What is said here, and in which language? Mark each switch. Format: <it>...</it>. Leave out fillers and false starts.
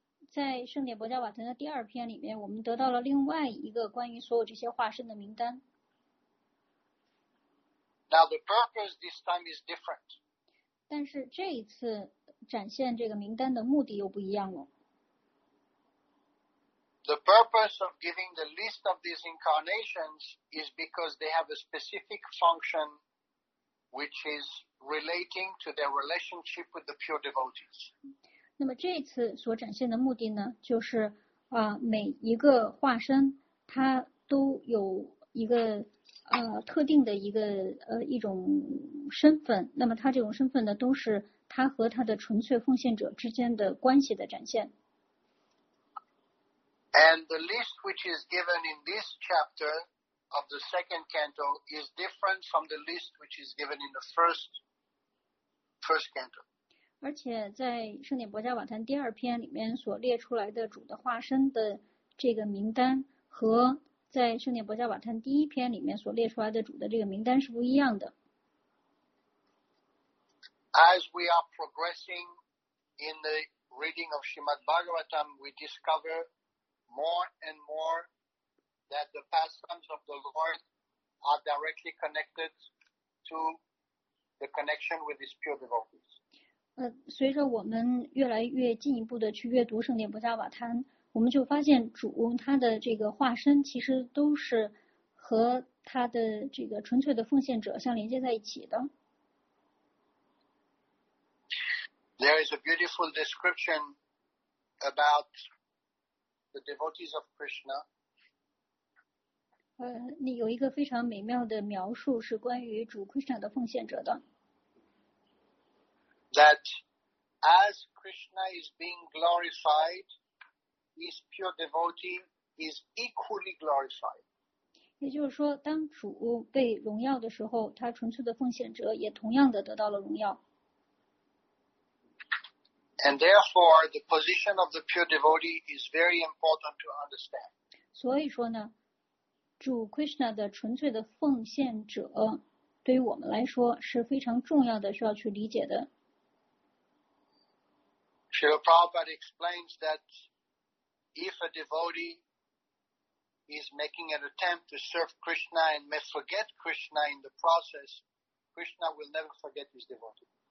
<zh>在《圣典博迦瓦坛》的第二篇里面，我们得到了另外一个关于所有这些化身的名单。</zh> <en>Now, the purpose this time is different.</en> <zh>但是这一次展现这个名单的目的又不一样了。</zh> <en>The purpose of giving the list of these incarnations is because they have a specific function which is relating to their relationship with the pure devotees.</en> <zh>那么这次所展现的目的呢，就是每一个化身它都有一个特定的一种身份，那么它这种身份呢都是他和他的纯粹奉献者之间的关系的展现。</zh> <en>And the list which is given in this chapter of the second canto is different from the list which is given in the first canto.</en> <zh>而且在《圣典博迦瓦坛》第二篇里面所列出来的主的化身的这个名单，和在《圣典博迦瓦坛》第一篇里面所列出来的主的这个名单是不一样的。</zh> <en>As we are progressing in the reading of Srimad Bhagavatam, we discover more and more that the pastimes of the Lord are directly connected to the connection with His pure devotees.</en> <zh>随着我们越来越进一步的去阅读《圣典博迦瓦坛》，我们就发现主他的这个化身其实都是和他的这个纯粹的奉献者相连接在一起的。</zh> <en>There is a beautiful description about the devotees of Krishna.</en> <zh>你有一个非常美妙的描述是关于主 Krishna 的奉献者的。</zh> <en>That as Krishna is being glorified, his pure devotee is equally glorified.</en> <zh>也就是说，当主被荣耀的时候，他纯粹的奉献者也同样的得到了荣耀。</zh> <en>And therefore, the position of the pure devotee is very important to understand.</en> <zh>所以说呢，主 Krishna 的纯粹的奉献者对于我们来说是非常重要的，需要去理解的。</zh> <en>Srila Prabhupada explains that if a devotee is making an attempt to serve Krishna and may forget Krishna in the process, Krishna will never forget his devotee.</en>